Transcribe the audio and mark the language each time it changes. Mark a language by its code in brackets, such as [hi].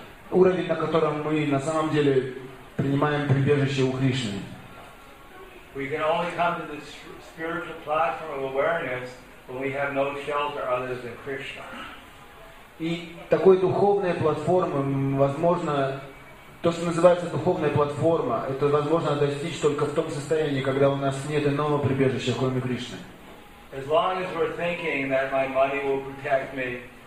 [ru] Уровень, на котором мы на самом деле принимаем прибежище у Кришны. [en] We can only come to the spiritual platform of awareness when we have no shelter other than Krishna. [ru] И такой духовной платформы возможно. То, что называется духовная платформа, это возможно достичь только в том состоянии, когда у нас нет иного прибежища, кроме Кришны. [en] As long as we're thinking that my money will protect me.